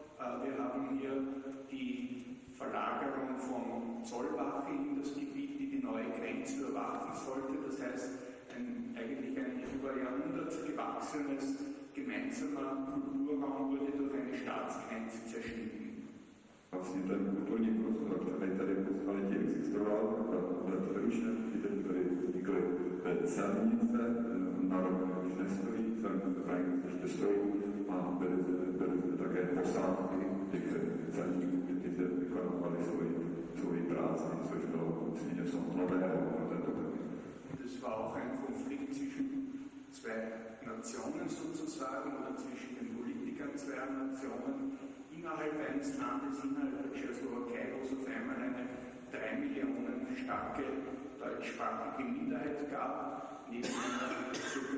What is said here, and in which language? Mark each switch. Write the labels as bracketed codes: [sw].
[de] Wir haben hier die Verlagerung von Zollwache in das Gebiet, die die neue Grenze überwachen sollte. Das heißt, eigentlich ein über Jahrhundert gewachsenes gemeinsamer Kulturraum wurde durch eine Staatsgrenze zerschnitten. [cs] Vlastně ten kulturní prostor, který tady po staletí existoval, byl přerušen, i teď tady vznikly celnice, na rok už nestojí, ještě stojí, a byly zde také posádky těch celníků, kteří zde vykonávali svoji práci, což bylo vlastně něco nového pro tento první. [de] Das war auch ein Konflikt zwischen zwei Nationen sozusagen, oder zwischen den Politikern zweier Nationen. Innerhalb eines Landes, innerhalb der Tschechoslowakei, wo es auf einmal eine 3 Millionen starke deutschsprachige Minderheit gab, neben einer ca.